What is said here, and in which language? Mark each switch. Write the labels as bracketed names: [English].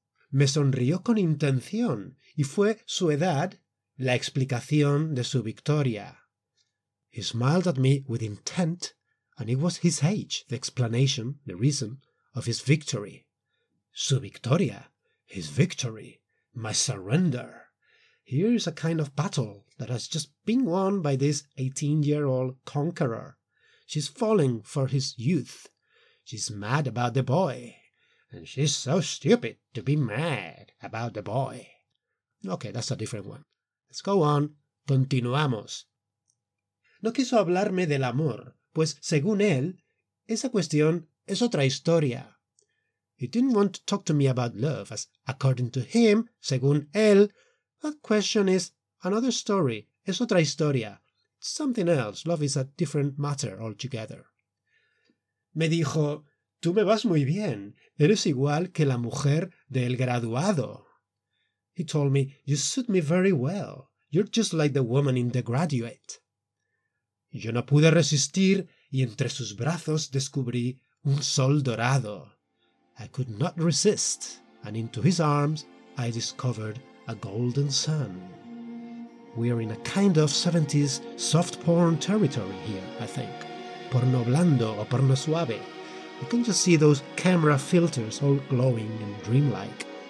[Spanish] Me sonrió con intención, y fue su edad la explicación de su victoria. [English] He smiled at me with intent, and it was his age, the explanation, the reason, of his victory. [Spanish] Su victoria, [English] his victory, my surrender. Here is a kind of battle that has just been won by this 18-year-old conqueror. She's falling for his youth. She's mad about the boy. And she's so stupid to be mad about the boy. Okay, that's a different one. Let's go on. Continuamos. [Spanish] No quiso hablarme del amor, pues según él, esa cuestión es otra historia. [English] He didn't want to talk to me about love, as according to him, [Spanish] según él, [English] that question is another story, [Spanish] es otra historia. [English] It's something else, love is a different matter altogether. [Spanish] Me dijo, tú me vas muy bien, eres igual que la mujer del graduado. [English] He told me, you suit me very well, you're just like the woman in The Graduate. [Spanish] Yo no pude resistir y entre sus brazos descubrí un sol dorado. [English] I could not resist, and into his arms I discovered a golden sun. We are in a kind of 70s soft porn territory here, I think. [Spanish] Porno blando o porno suave. [English] You can just see those camera filters all glowing and dreamlike.